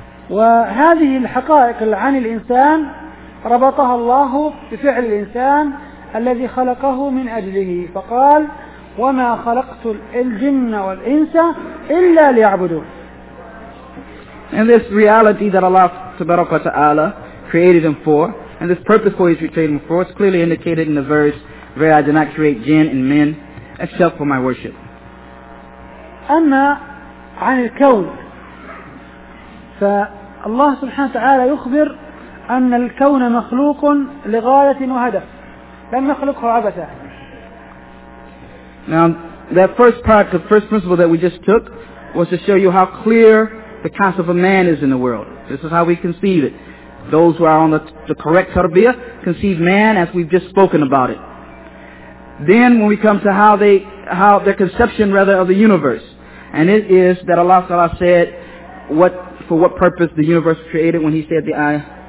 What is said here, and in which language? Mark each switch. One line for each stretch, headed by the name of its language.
Arabic: وهذه الحقائق عن الإنسان ربطها الله بفعل الإنسان الذي خلقه من أجله فقال وما خلقت الجن والإنس إلا ليعبدون.
English: And this reality that Allah subhanahu wa ta'ala created them for, and this purpose for which he created them for, is clearly indicated in the verse, "Verily I did not create jinn and men except for my worship."
Arabic: أما عن الكون فالله سبحانه وتعالى يخبر أن الكون مخلوق لغاية وهدف لم يخلقه عبثا.
English: Now that first part, the first principle that we just took, was to show you how clear the concept of a man is in the world. This is how we conceive it. Those who are on the correct tarbiyah conceive man as we've just spoken about it. Then when we come to their conception of the universe, and it is that Allah Ta'ala said for what purpose the universe was created when he said the ayah.